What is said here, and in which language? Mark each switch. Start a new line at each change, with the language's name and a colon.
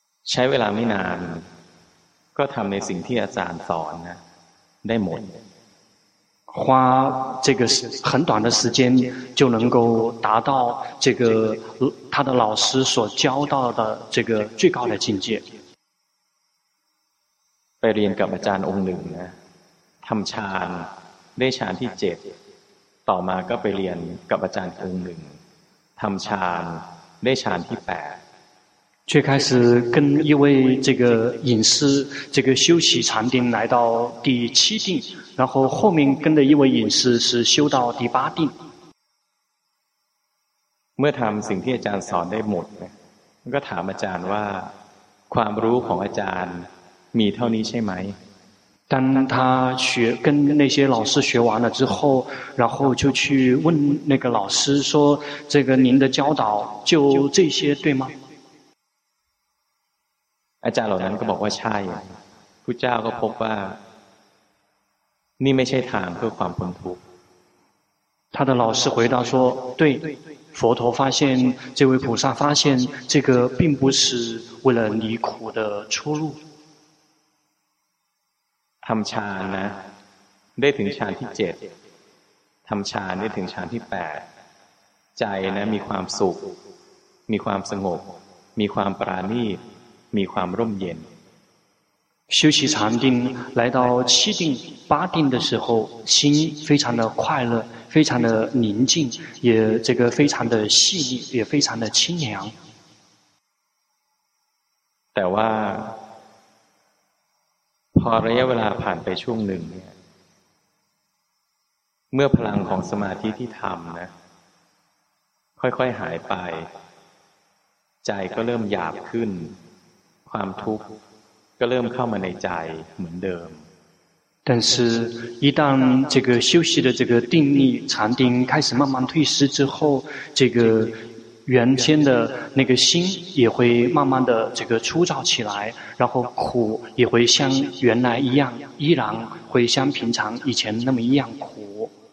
Thai: ใช้เวลาไม่นานก็ทำในสิ่งที่อาจารย์สอนนะได้หมด
Chinese: 花这个很短的时间就能够达到这个他的老师所教到的这个最高的境界。
Thai: ไปเรียนกับอาจารย์องค์หนึ่งนะทำฌานได้ฌานที่7ต่อมาก็ไปเรียนกับอาจารย์องค์หนึ่งทำฌานได้ฌานที่8
Chinese: 最开始跟一位这个隐士这个修习禅定来到第七定，然后后面跟的一位隐士是修到第八定。
Thai: เมื่อทำสิ่งที่อาจารย์สอนได้หมดก็ถามอาจารย์ว่าความรู้ของอาจารย์มีเท่านี้ใช่ไหม
Chinese: 当他学跟那些老师学完了之后，然后就去问那个老师说，这个您的教导就这些对吗？
Thai: อาจารย์เหล่านั้นก็บอกว่าใช่พุทธเจ้าก็พบว่านี่ไม่ใช่ทางเพื่อความพ้นทุกข์
Chinese: 他的老师回答说对佛陀发现这位菩萨发现这个并不是为了离苦的出路
Thai: ทำฌานนะได้ถึงฌานที่7ทำฌานได้ถึงฌานที่8ใจนะมีความสุขมีความสงบมีความปราณีตมีความร่มเย็น
Chinese: 修习禅定来到七定八定的时候心非常的快乐非常的宁静也这个非常的细腻也非常的清凉
Thai: แต่ว่าพอระยะเวลาผ่านไปช่วงหนึ่งเมื่อพลังของสมาธิที่ทำนะค่อยๆหายไปใจก็เริ่มหยาบขึ้นความทุกข์ก็เริ่มเข้ามาในใจเหมือนเดิม
Chinese: 但是一旦这个休息的这个定力禅定开始慢慢退失之后这个原先的那个心也会慢慢的这个粗糙起来然后苦也会像原来一样依然会像平常以前那么一样苦